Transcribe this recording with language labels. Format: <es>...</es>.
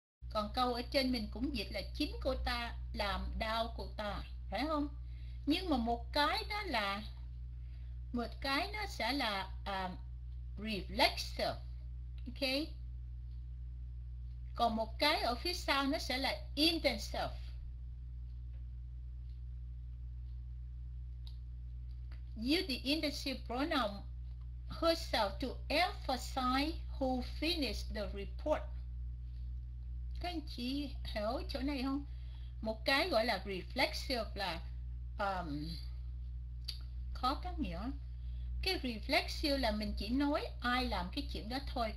<vi>Còn câu ở trên mình cũng dịch là chính cô ta làm đau cô ta, phải không? Nhưng mà một cái đó là, một cái nó sẽ là reflexive, ok? Còn một cái ở phía sau nó sẽ là intensive.</vi> <en>Use the intensive pronoun herself to emphasize who finished the report.</en> <vi>Các anh chị hiểu chỗ này không? Một cái gọi là reflexive là khó cắt nghĩa. Cái reflexive là mình chỉ nói ai làm cái chuyện đó thôi.</vi>